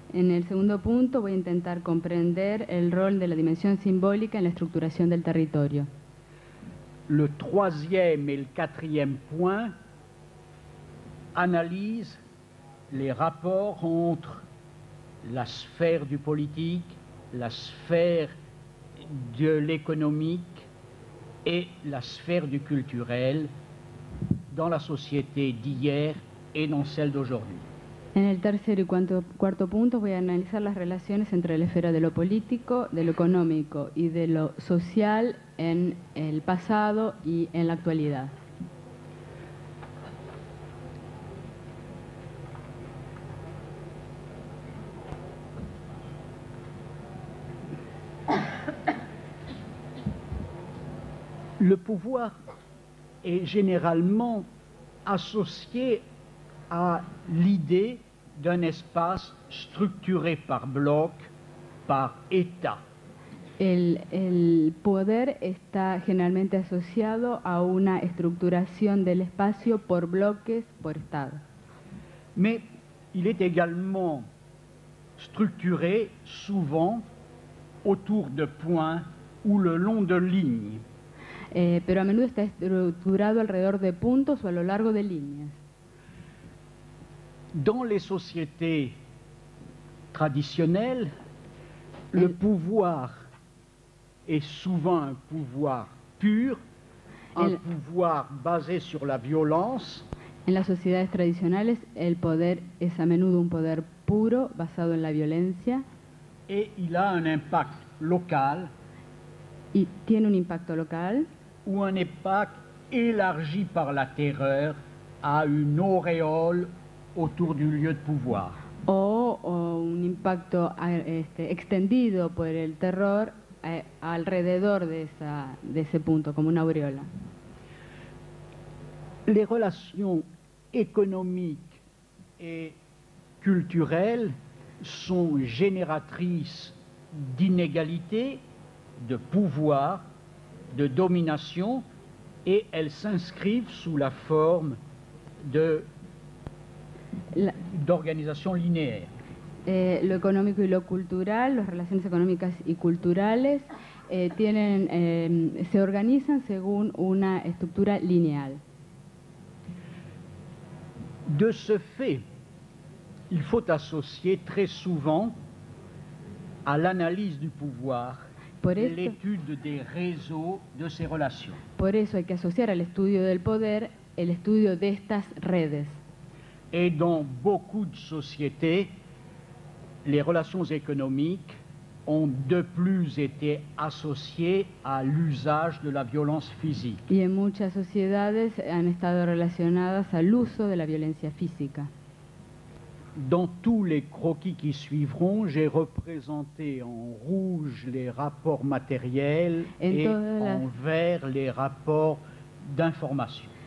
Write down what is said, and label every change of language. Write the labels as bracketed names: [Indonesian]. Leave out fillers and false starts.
[Spanish] En el segundo punto voy a intentar comprender el rol de la dimensión simbólica en la estructuración del territorio. [French] Le troisième et le quatrième point analyse les rapports entre la sphère du politique, la sphère de l'économique et la sphère du culturel dans la société d'hier et dans celle d'aujourd'hui. [Spanish] En el tercer y cuarto punto voy a analizar las relaciones entre la esfera de lo político, de lo económico y de lo social en el pasado y en la actualidad. [French] Le pouvoir est généralement associé à l'idée d'un espace structuré par bloc, par État. [Spanish] El poder está generalmente asociado a una estructuración del espacio por bloques, por Estado. [French] Mais il est également structuré souvent autour de points ou le long de lignes. [Spanish] Pero a menudo está estructurado alrededor de puntos o a lo largo de líneas. [French] Dans les sociétés traditionnelles, le pouvoir est souvent un pouvoir pur, un pouvoir basé sur la violence. [Spanish] En las sociedades tradicionales, el poder es a menudo un poder puro, basado en la violencia. [French] Et il a un impact local. [Spanish] Y tiene un impacto local. [French] Ou un impact élargi par la terreur à une auréole autour du lieu de pouvoir. [Spanish] O un impacto extendido por el terror alrededor de ese punto, como una aureola. [French] Les relations économiques et culturelles sont génératrices d'inégalités, de pouvoir, de domination, et elles s'inscrivent sous la forme de d'organisation linéaire. [Spanish] Lo económico y lo cultural, las relaciones económicas y culturales se organizan según una estructura lineal. [French] De ce fait, il faut associer très souvent à l'analyse du pouvoir l'étude des réseaux de ces relations. [Spanish] Por eso hay que asociar al estudio del poder el estudio de estas redes. [French] Et dans beaucoup de sociétés, les relations économiques ont de plus été associés à l'usage de la violence physique. [Spanish] Y en muchas sociedades han estado relacionadas al uso de la violencia física. [French] Dans tous les croquis qui suivront, j'ai représenté en rouge les rapports matériels et en vert les rapports d'information.